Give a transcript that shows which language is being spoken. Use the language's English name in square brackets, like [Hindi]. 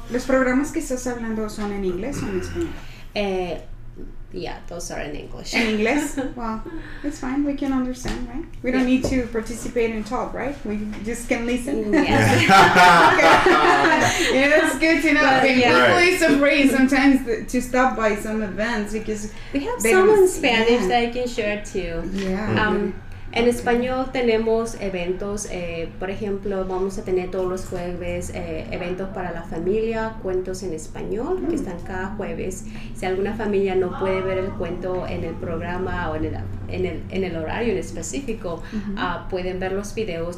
[Spanish] ¿Los programas que estás hablando son en inglés o en español? [English] Those are in English. In English? Well, it's fine. We can understand, right? We don't need to participate and talk, right? We just can listen. Yeah. Yeah, that's good to know. But, people are afraid sometimes to stop by some events because we have some in Spanish that I can share too. Yeah. [Spanish] En español tenemos eventos, por ejemplo, vamos a tener todos los jueves eventos para la familia, cuentos en español, que están cada jueves. Si alguna familia no puede ver el cuento en el programa o en el horario en específico, pueden ver los videos.